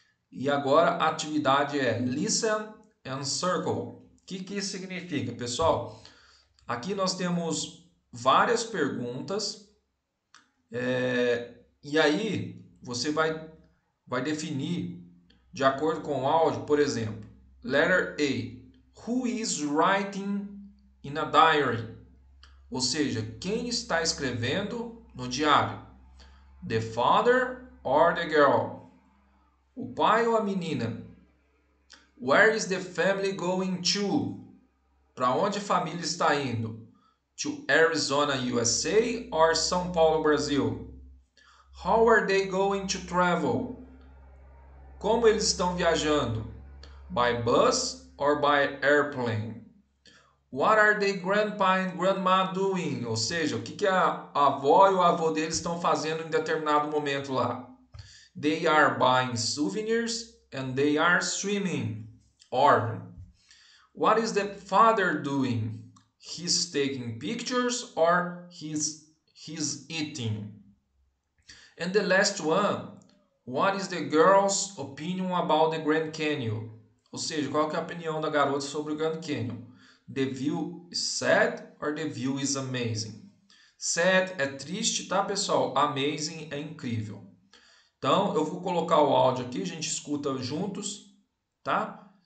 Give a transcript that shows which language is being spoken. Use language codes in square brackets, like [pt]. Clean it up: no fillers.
[pt] E agora a atividade é [en] listen and circle. [pt] O que que isso significa, pessoal? Aqui nós temos várias perguntas, e aí você vai definir de acordo com o áudio. Por exemplo, [en] letter A, who is writing in a diary? [pt] Ou seja, quem está escrevendo no diário? [en] The father or the girl? [pt] O pai ou a menina? [en] Where is the family going to? [pt] Para onde a família está indo? [en] To Arizona, USA or São Paulo, Brasil? How are they going to travel? [pt] Como eles estão viajando? [en] By bus or by airplane? What are the grandpa and grandma doing? [pt] Ou seja, o que que a avó e o avô deles estão fazendo em determinado momento lá? [en] They are buying souvenirs and they are swimming. Or, what is the father doing? He's taking pictures or he's eating? And the last one, what is the girl's opinion about the Grand Canyon? [pt] Ou seja, qual que é a opinião da garota sobre o Grand Canyon? [en] The view is sad or the view is amazing? [pt] Sad é triste, tá, pessoal? Amazing é incrível. Então, eu vou colocar o áudio aqui, a gente escuta juntos, tá?